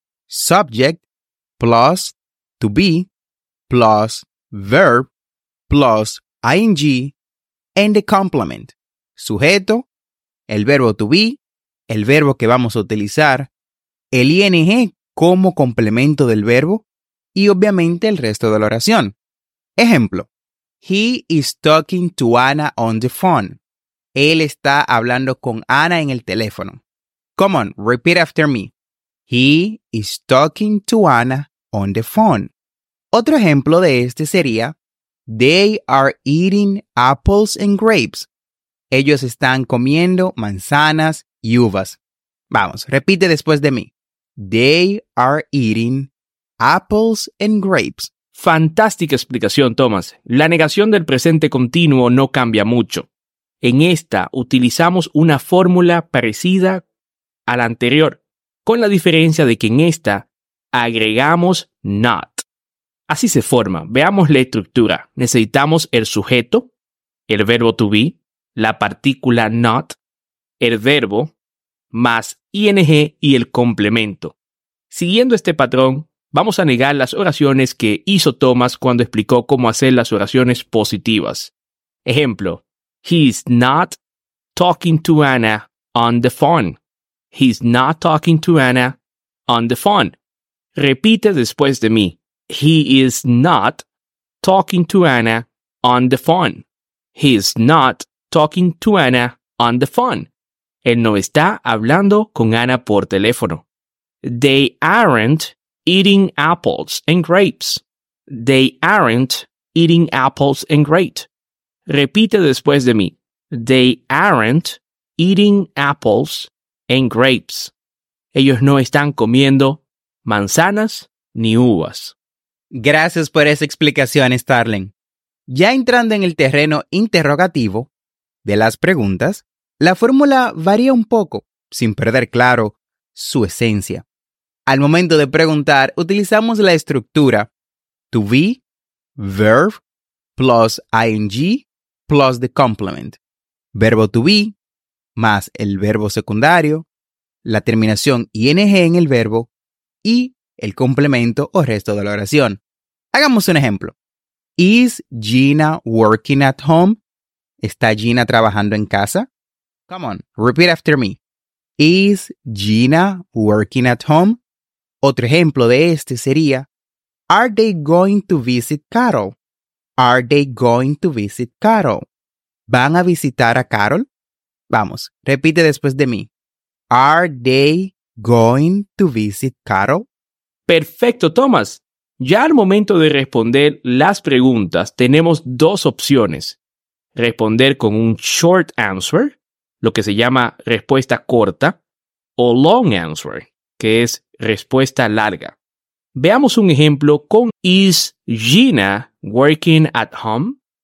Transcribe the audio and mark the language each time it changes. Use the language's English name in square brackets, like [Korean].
[English] Subject plus to be plus verb plus ing and the complement. [Spanish] Sujeto, el verbo to be, el verbo que vamos a utilizar, el ing como complemento del verbo y obviamente el resto de la oración. Ejemplo. [English] He is talking to Anna on the phone. [Spanish] Él está hablando con Anna en el teléfono. [English] Come on, repeat after me. He is talking to Anna on the phone. [Spanish] Otro ejemplo de este sería, [English] they are eating apples and grapes. [Spanish] Ellos están comiendo manzanas y uvas. Vamos, repite después de mí. [English] They are eating apples and grapes. [Spanish] Fantástica explicación, Thomas. La negación del presente continuo no cambia mucho. En esta utilizamos una fórmula parecida a la anterior, con la diferencia de que en esta agregamos not. Así se forma. Veamos la estructura. Necesitamos el sujeto, el verbo to be, la partícula not, el verbo, más ing y el complemento. Siguiendo este patrón, vamos a negar las oraciones que hizo Thomas cuando explicó cómo hacer las oraciones positivas. Ejemplo, [English] he's not talking to Anna on the phone. He's not talking to Anna on the phone. [Spanish] Repite después de mí. [English] He is not talking to Anna on the phone. He is not talking to Anna on the phone. [Spanish] Él no está hablando con Anna por teléfono. [English] They aren't eating apples and grapes. They aren't eating apples and grapes. [Spanish] Repite después de mí. [English] They aren't eating apples and grapes. [Spanish] Ellos no están comiendo manzanas ni uvas. Gracias por esa explicación, Starling. Ya entrando en el terreno interrogativo de las preguntas, la fórmula varía un poco, sin perder claro su esencia. Al momento de preguntar, utilizamos la estructura [English] to be, verb, plus ing, plus the complement. [Spanish] Verbo to be, más el verbo secundario, la terminación ing en el verbo, y el complemento o resto de la oración. Hagamos un ejemplo. [English] Is Gina working at home? [Spanish] ¿Está Gina trabajando en casa? [English] Come on, repeat after me. Is Gina working at home? [Spanish] Otro ejemplo de este sería, [English] are they going to visit Carol? Are they going to visit Carol? [Spanish] ¿Van a visitar a Carol? Vamos, repite después de mí. [English] Are they going to visit Carol? [Spanish] Perfecto, Thomas. Ya al momento de responder las preguntas, tenemos dos opciones. Responder con un short answer, lo que se llama respuesta corta, o long answer, que es respuesta larga. Veamos un ejemplo con [English] Is Gina working at home?